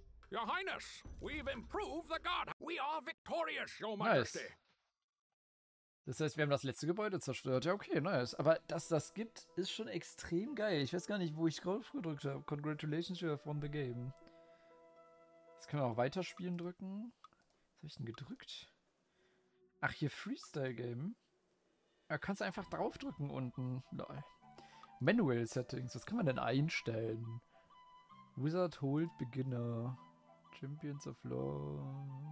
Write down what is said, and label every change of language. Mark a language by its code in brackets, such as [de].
[en] Your Highness, we've improved the guard. We are victorious, Your Majesty. Nice. [de] Das heißt, wir haben das letzte Gebäude zerstört. Ja, okay, nice. Aber dass das gibt, ist schon extrem geil. Ich weiß gar nicht, wo ich drauf gedrückt habe. [en] Congratulations, you have won the game. [de] Jetzt können wir auch weiterspielen drücken. Was habe ich denn gedrückt? Ach, hier [en] Freestyle Game. [de] Da kannst du einfach drauf drücken unten. Lol. [en] Manual Settings. [de] Was kann man denn einstellen? [en] Wizard Hold Beginner. Champions of Law.